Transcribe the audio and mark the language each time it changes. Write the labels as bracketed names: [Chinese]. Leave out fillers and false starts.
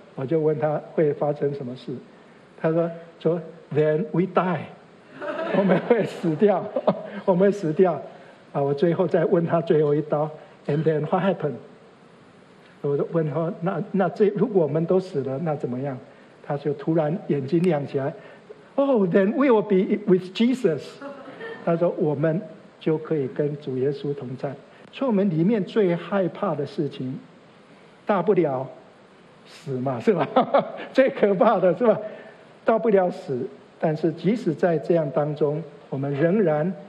[Chinese] 我就问他会发生什么事，他说 [English] then we die， [Chinese] 我们会死掉，我们会死掉啊！我最后再问他最后一刀 ， [English] and then what happened？ [Chinese] 我问他，那这如果我们都死了，那怎么样？他就突然眼睛亮起来 [English] ，Oh, then we will be with Jesus。 [Chinese] 他说我们就可以跟主耶稣同在。所以我们里面最害怕的事情，大不了死嘛，是吧？最可怕的是吧？大不了死，但是即使在这样当中，我们仍然。